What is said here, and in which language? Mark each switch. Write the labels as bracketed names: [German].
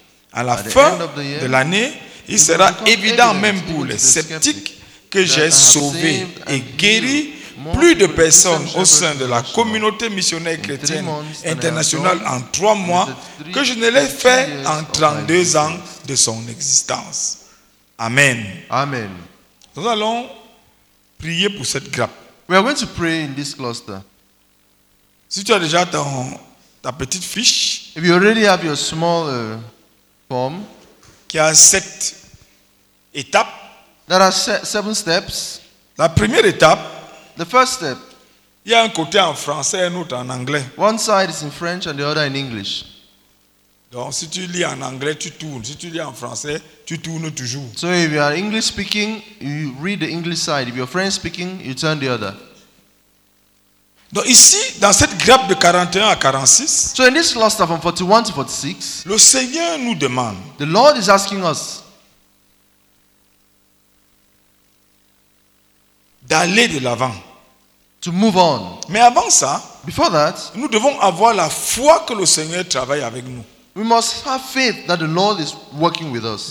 [French] À la fin de l'année, il sera évident même pour les sceptiques que j'ai sauvé et guéri plus de personnes au sein de la communauté missionnaire chrétienne internationale en 3 mois que je ne l'ai fait en 32 ans de son existence. Amen. Amen. Nous allons prier pour cette grappe. [English] We are going to pray in this cluster. [French] Si tu as déjà ta petite fiche, [English] if you already have your small form, [French] qui a 7 étapes, [English] there are 7 steps. [French] La première étape, [English] the first step, [French] il y a un côté en français, un autre en anglais. [English] One side is in French and the other in English. [French] Donc, si tu lis en anglais, tu tournes. Si tu lis en français, tu tournes toujours. [English] So if you are English speaking, you read the English side. If you're French speaking, you turn the other. [French] Donc ici, dans cette grappe de 41 à 46, [English] so in this cluster from 41 to 46, [French] le Seigneur nous demande, [English] the Lord is asking us, [French] d'aller de l'avant, [English] to move on. [French] Mais avant ça, [English] before that, [French] nous devons avoir la foi que le Seigneur travaille avec nous. [English] We must have faith that the Lord is working with us.